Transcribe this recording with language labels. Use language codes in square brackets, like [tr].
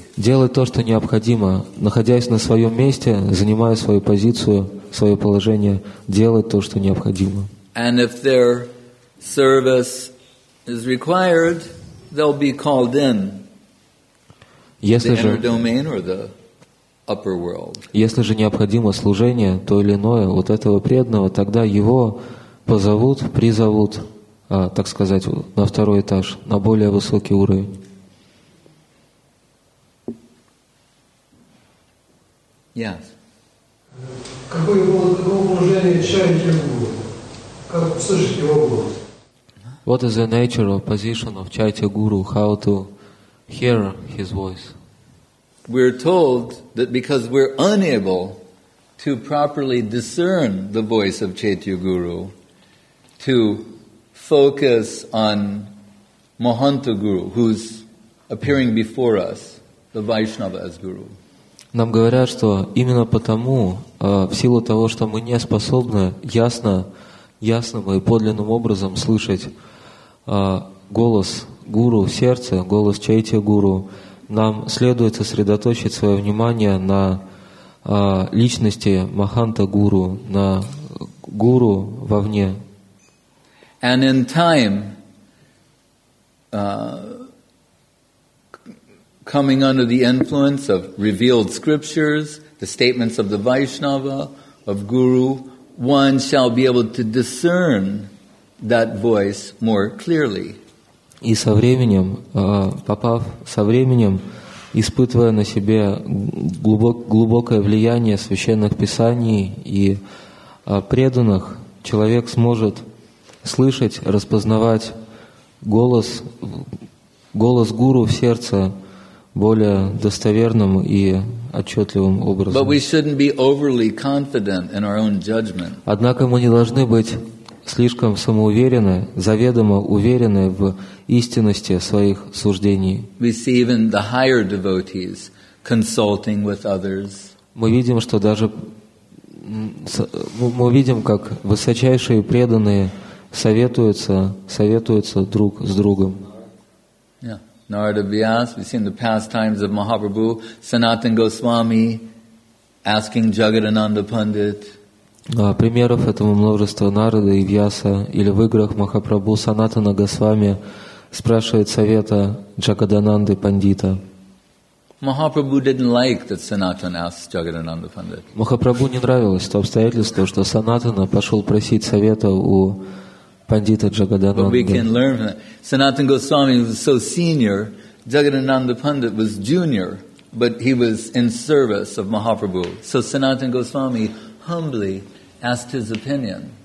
[ru] Делать то, что необходимо, находясь на своем месте, занимая свою позицию, свое положение, делать то, что необходимо. [en] And if their service is required, they'll be called in. [ru] Если же, [en] the inner domain or the upper world. [ru] Если же необходимо служение, то или иное, вот этого преданного, тогда его позовут, призовут, так сказать, на второй этаж, на более высокий уровень. [en] Yes. [ru] Какое было положение Чайти Гуру? Как услышать его голос? [en] What is the nature of position of Чайти Гуру? How to hear his voice? We're told that because we're unable to properly discern the voice of Chaitya Guru, to focus on Mahanta Guru, who's appearing before us, the Vaishnava as Guru. [ru] Нам говорят, что именно потому, в силу того, что мы не способны ясным и подлинным образом слышать голос Гуру в сердце, голос Чайти Гуру, нам следует сосредоточить свое внимание на личности Маханта Гуру, на гуру вовне. [en] And in time, coming under the influence of revealed scriptures, the statements of the Vaishnava, of Guru, one shall be able to discern that voice more clearly. [ru] И со временем, попав со временем, испытывая на себе глубокое влияние священных писаний и преданных, человек сможет слышать, распознавать голос гуру в сердце более достоверным и отчетливым образом. [en] But we shouldn't be overly confident in our own judgment. [ru] Однако мы не должны быть слишком самоуверены, заведомо уверены в истинности своих суждений. [en] We see even the higher devotees consulting with others. [ru] Мы видим, как высочайшие преданные советуются друг с другом. [en] Narada Vyas, we've seen the pastimes of Mahaprabhu, Sanatana Goswami asking Jagadananda Pandit. [ru] Примеров этому множество: Нарада и Вьяса, или в играх Махапрабху, Санатана Госвами спрашивает совета Джагадананды Пандита. [en] Mahaprabhu didn't like that Sanatana asked Jagadananda Pandit. [ru] Махапрабху не нравилось то обстоятельство, что Санатана пошел просить совета у [en] But we can learn from that. Sanatana Goswami was so senior, Jagadananda Pandit was junior, but he was in service of Mahaprabhu. So Sanatana Goswami humbly asked his opinion.